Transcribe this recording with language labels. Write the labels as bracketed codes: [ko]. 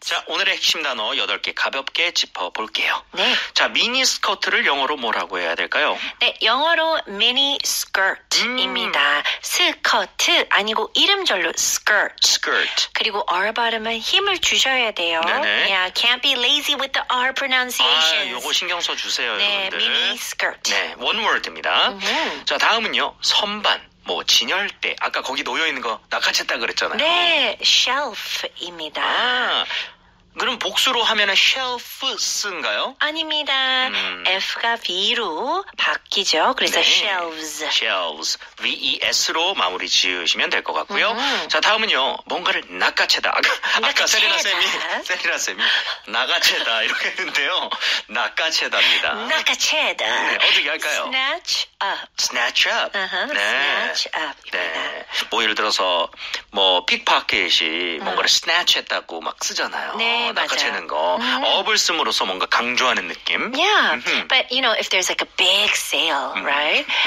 [ko] 자, 오늘의 핵심 단어 8개 가볍게 짚어볼게요. 네. 자, 미니 스커트를 영어로 뭐라고 해야 될까요? 네, 영어로 mini skirt입니다. 스커트 아니고 이름절로 skirt. [en] Skirt. [ko] 그리고 R 발음은 힘을 주셔야 돼요. 네네. [en] Yeah, can't be lazy with the R pronunciation. [ko] 아, 요거 신경 써 주세요, 네, 여러분들. [en] Mini skirt. [ko] 네, [en] one word [ko] 입니다. 자, 다음은요, 선반. 뭐 진열대 아까 거기 놓여 있는 거 낙하채다 그랬잖아요. 네, shelf입니다. 그럼 복수로 하면은 shelves인가요? 아닙니다. F가 V로 바뀌죠. 그래서 네. shelves. [en] Shelves. [ko] V-E-S로 마무리 지으시면 될 것 같고요. 자, 다음은요. 뭔가를 낚아채다. 아까 세리나 쌤이 낚아채다 이렇게 했는데요. 낚아채다입니다. 낚아채다. 네, 어떻게 할까요? [en] Snatch up. Snatch up. Uh-huh. [ko] 네. [en] Snatch up. [ko] 네. 뭐 예를 들어서 뭐 픽파켓이 뭔가를 snatch 했다고 막 쓰잖아요. 네. 낚아채는 거. 업을 씀으로써 뭔가 강조하는 느낌. [en] Yeah. But you know, if there's like a big sale, right?